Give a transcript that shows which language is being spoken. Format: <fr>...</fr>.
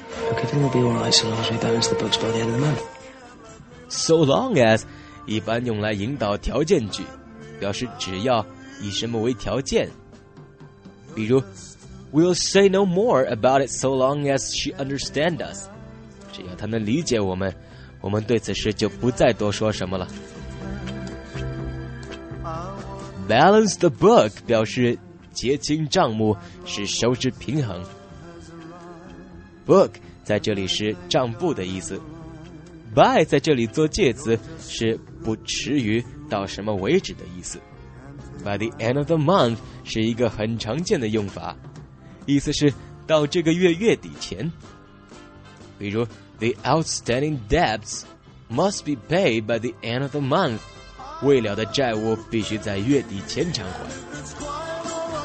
<en>Everything will be alright so long as we balance the books by the end of the month. So long as</en> <zh>一般用来引导条件句，表示只要，以什么为条件。</zh> <en>比如 We'll say no more about it so long as she understands us.</en> <zh>只要她能理解我们，我们对此事就不再多说什么了。</zh> <en>Balance the book</en> <zh>表示结清账目，是收支平衡。 Book在这里是账簿的意思， by 在这里做介词是不迟于到什么为止的意思。</zh> <en>by the end of the month</en> <zh>是一个很常见的用法，意思是到这个月月底前。</zh> <en>比如 the outstanding debts must be paid by the end of the month，</en> <zh>未了的债务必须在月底前偿还。</zh>